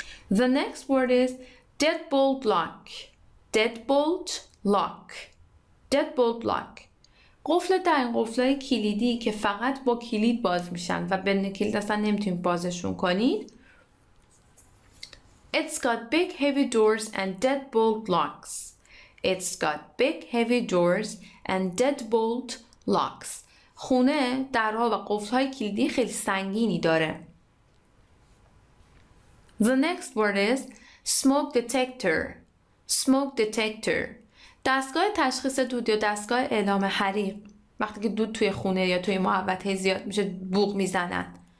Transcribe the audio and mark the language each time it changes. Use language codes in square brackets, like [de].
[en] The next word is deadbolt lock. Deadbolt lock. Deadbolt lock. [fa] قفل در، این قفل های کلیدی که فقط با کلید باز میشن و بدون کلید اصلا نمیتونید بازشون کنید. [en] It's got big heavy doors and deadbolt locks. It's got big heavy doors and deadbolt locks. [fa] خونه درها و قفل های کلیدی خیلی سنگینی داره. [en] The next word is smoke detector. Smoke detector. [fa] دستگاه تشخیص دود یا دستگاه اعلام حریق. وقتی که دود توی خونه یا توی محوطه زیاد میشه بوق میزنن.